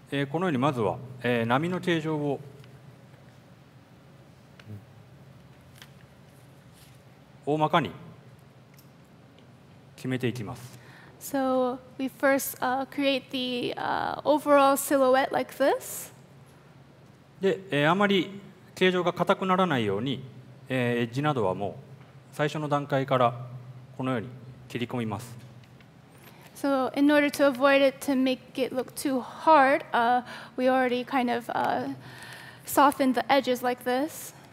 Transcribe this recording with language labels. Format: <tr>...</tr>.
<ja>このようにまずは、波の形状を大まかに決めていきます。</ja> <en>So we first create the overall silhouette like this.</en> <ja>で、あまり形状が硬くならないように、エッジなどはもう最初の段階からこのように切り込みます。</ja> <en>So in order to avoid it to make it look too hard, we already kind of softened the edges like this.</en>